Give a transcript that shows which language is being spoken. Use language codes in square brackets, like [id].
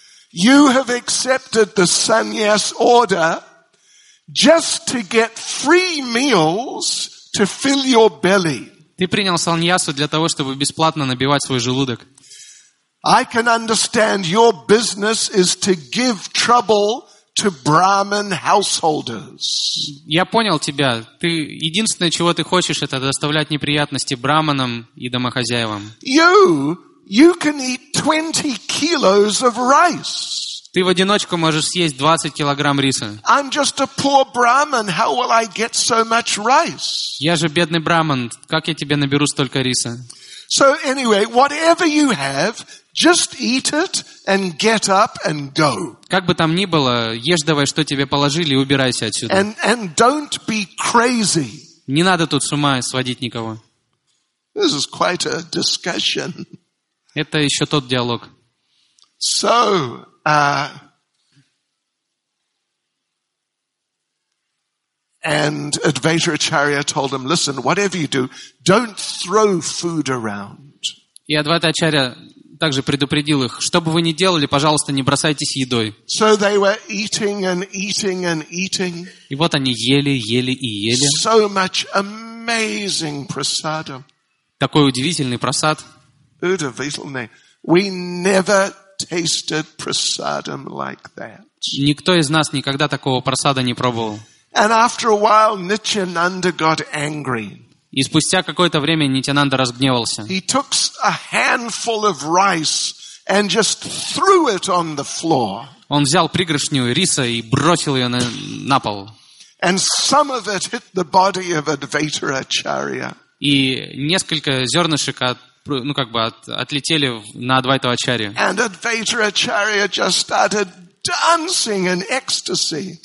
[en] You have accepted the sannyas order just to get free meals to fill your belly. [ru] Ты принял саньясу для того, чтобы бесплатно набивать свой желудок. [en] I can understand your business is to give trouble to Brahmin householders. [ru] Я понял тебя. Ты единственное, чего ты хочешь, это доставлять неприятности браманам и домохозяевам. [en] You can eat 20 kilos of rice. [ru] Ты в одиночку можешь съесть 20 килограмм риса. [en] I'm just a poor Brahmin. How will I get so much rice? [ru] Я же бедный браман. Как я тебе наберу столько риса? [en] So anyway, whatever you have, just eat it and get up and go. [ru] Как бы там ни было, ешь давай, что тебе положили, и убирайся отсюда. [en] And don't be crazy. [ru] Не надо тут с ума сводить никого. [en] This is quite a discussion. [ru] Это еще тот диалог. [en] So. And Advaitacharya told him, "Listen, whatever you do, don't throw food around." [ru] И Адвайта-ачарья также предупредил их, что бы вы ни делали, пожалуйста, не бросайтесь едой. [en] So they were eating and eating and eating. [ru] И вот они ели, ели и ели. [en] So much amazing prasadam. [ru] Такой удивительный просад. Удивительный. [en] We never tasted prasadam like that. [ru] Никто из нас никогда такого просада не пробовал. [en] And after a while, Nityananda got angry. [ru] И спустя какое-то время Нитянанда разгневался. [en] He took a handful of rice and just threw it on the floor. [ru] Он взял пригоршню риса и бросил ее на пол. [en] And some of it hit the body of Advaitacharya. [ru] И несколько зернышек отлетели на Адвайта-ачарью. [en] And Advaitacharya just started dancing in ecstasy.